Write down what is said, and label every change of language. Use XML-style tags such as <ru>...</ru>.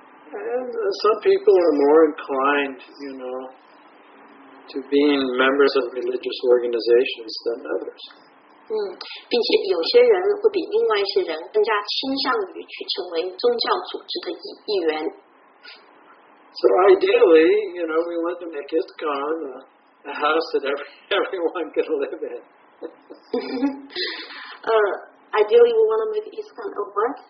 <en>And some people are more inclined, you know, to being members of religious organizations than others.</en> <zh>并且有些人会比另外一些人更加倾向于去成为宗教组织的一员。</zh> <en>So ideally, you know, we want to make ISKCON a house that everyone can live in. ideally, we want to make ISKCON a what?</en>